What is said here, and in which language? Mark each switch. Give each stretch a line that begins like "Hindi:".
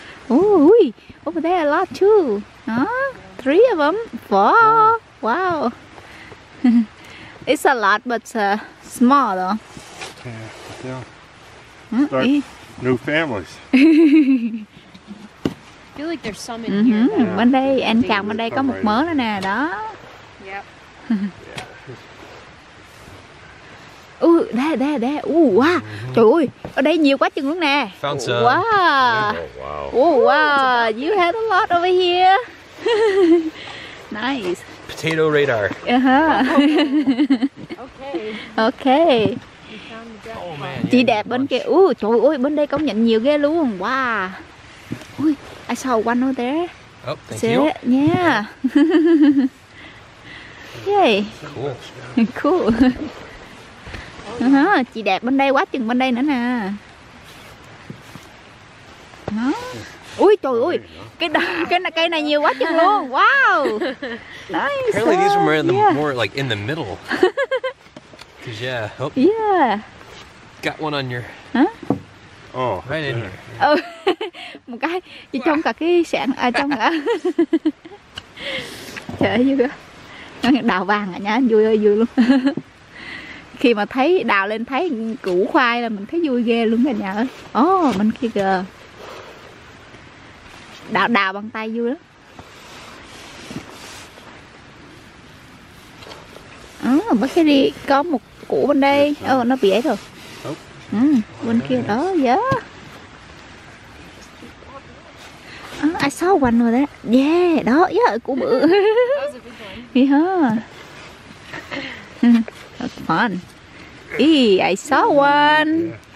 English: Oh, oui. Over there a lot too. Huh? Three of them. Four. Wow. It's a lot, but small though. Yeah, but they'll start new families. I feel like there's some in here. Yeah.
Vietnamese: Bên đây, anh chàng bên đây có một mớ nữa nè, đó.
English: Yep. Ui, đe. Ui, wow.
Vietnamese: Trời ơi, ở đây nhiều quá chừng luôn nè.
English: Found some. Wow. Oh, wow. Ooh, wow. You had a lot over here. Nice. Potato radar. Uh-huh. Okay. Okay. Oh, man.
Vietnamese: Chị đẹp bên kia. Ui, trời ơi, bên đây công nhận nhiều ghê luôn.
English: Wow. Ui, I saw one over there. Oh, thank you. Yeah. Yay. Cool. Cool.
Vietnamese: Chị đẹp bên đây quá chừng bên đây nữa nè. Đó. Ui trời ơi. Cái này nhiều quá chừng luôn.
English: Wow. Nice. Apparently these were more like in the middle. Cuz yeah. Oh. Yeah. Got one on your. Huh? Oh, right in here.
Vietnamese: Một cái chỉ trong cả cái sạn ở trong á. Trời ơi. Nó đào vàng à nha, vui ơi vui luôn. Khi mà thấy đào lên thấy củ khoai là mình thấy vui ghê luôn cả nhà ơi. Oh, bên kia kìa. Đào bằng tay vui lắm. Bác sĩ đi có một củ bên đây. Nó bị ấy rồi. Bên kia đó,
English: yeah. I saw one over there.
Vietnamese: Yeah, đó, yeah, củ bự.
English: That was a good one. That's fun. I saw one.